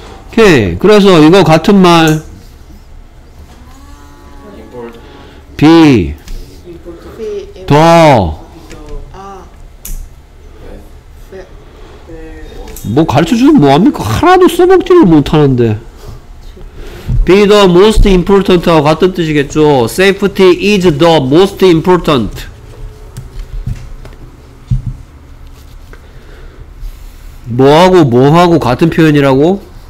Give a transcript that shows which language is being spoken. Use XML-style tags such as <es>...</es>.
<ko>오케이. 그래서 이거 같은 말 비 더 뭐 가르쳐주면 뭐합니까? 하나도 써먹지를 못하는데</ko> <en>Be the most important</en> <ko>하고 같은 뜻이겠죠?</ko> <en>Safety is the most important.</en> <ko>뭐하고 뭐하고 같은 표현이라고?</ko>